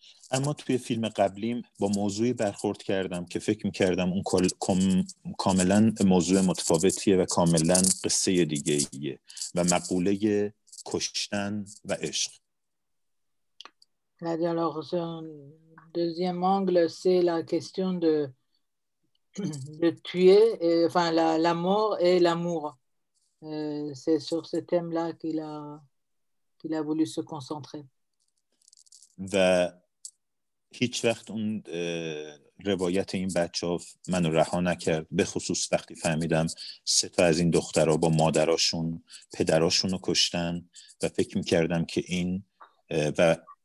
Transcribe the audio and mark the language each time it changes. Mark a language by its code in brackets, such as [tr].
[fa] اما توی فیلم قبلیم با موضوعی برخورد کردم که فکر میکردم اون کاملا موضوع متفاوتیه و کاملا قصه دیگه ایه و مقوله کشتن و عشق. [fr] Alors, deuxième angle, c'est la question de tuer, enfin la mort et l'amour. C'est sur ce thème-là qu'il a voulu se concentrer. [fa] و هیچ وقت اون روایت این بچه ها منو رها نکرد، به خصوص وقتی فهمیدم سه تا از این دخترها با مادراشون پدراشون رو کشتن و فکر میکردم که این و